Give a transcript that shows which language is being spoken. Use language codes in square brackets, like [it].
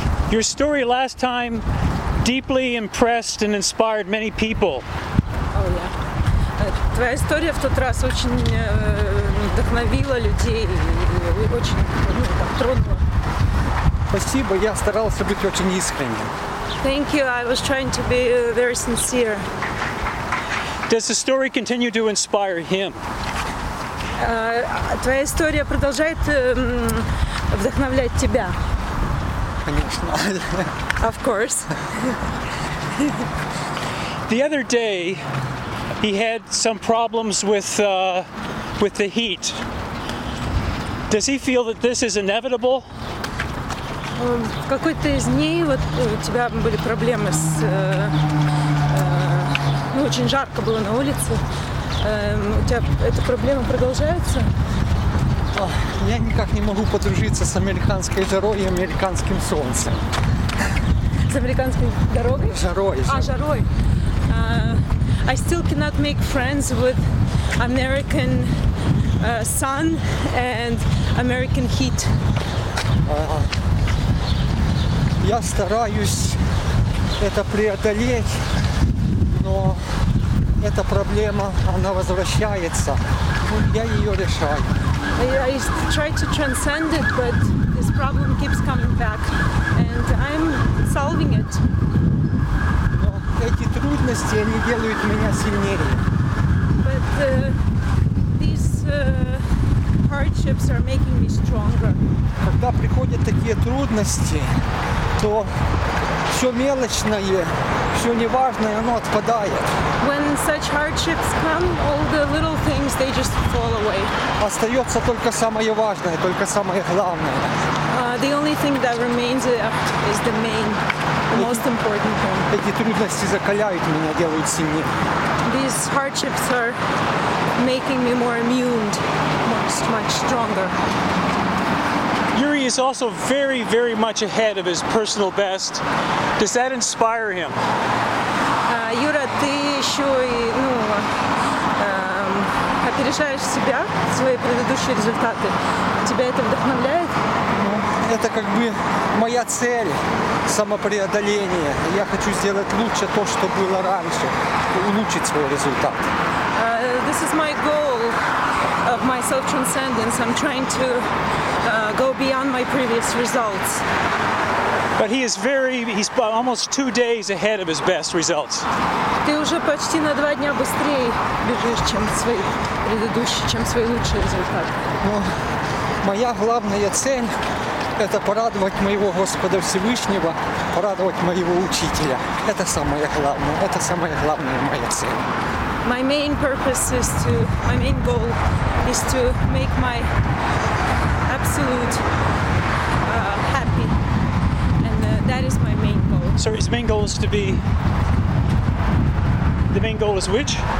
[en] Your story last time deeply impressed and inspired many people. Oh yeah. [ru] Твоя история в тот раз очень вдохновила людей и очень тронула. Спасибо, я старался быть очень искренним. [en] Thank you. I was trying to be very sincere. Does the story continue to inspire him? [ru] Твоя история продолжает вдохновлять тебя. Конечно. [en] Of course. The other day he had some problems with the heat. Does he feel that this is inevitable? [ru] В какой-то из дней вот у тебя были проблемы с ну, очень жарко было на улице. У тебя эта проблема продолжается? Я никак не могу подружиться с американской жарой и американским солнцем. С американской дорогой? Жарой. А, жарой. [en] I still cannot make friends with American sun and American heat. [ru] Я стараюсь это преодолеть, но эта проблема, она возвращается. Я ее решаю. [en] I try to transcend it, but this problem keeps coming back, and I'm solving it. [ru] Но эти трудности, они делают меня сильнее. [en] But these hardships are making me stronger. [ru] Когда приходят такие трудности, то все мелочное, все неважное, оно отпадает. [en] When such hardships come, all the little things, they just fall away. [ru] Остается только самое важное, только самое главное. [en] The only thing that remains is the main, the most important thing. [ru] Эти трудности закаляют меня, делают сильнее. [en] These hardships are making me more immune, much stronger. Yuri is also very, very much ahead of his personal best. Does that inspire him? [ru] Юра, ты еще и, ну, опережаешь себя, свои предыдущие результаты. Тебя это вдохновляет? Это как бы моя цель — самопреодоление. Я хочу сделать лучше то, что было раньше, улучшить свой результат. [en] This is my goal of my self-transcendence. I'm trying to go beyond my previous results. But he is he's almost 2 days ahead of his best results. [ru] Ты уже почти на два дня быстрее бежишь, чем свои лучшие результаты. Но моя главная цель — это порадовать моего Господа Всевышнего, порадовать моего Учителя. Это самое главное. Это самая главная моя цель. [en] My main purpose is to, my main goal is to make my absolute happy, and that is my main goal. So his main goal is to be, the main goal is which?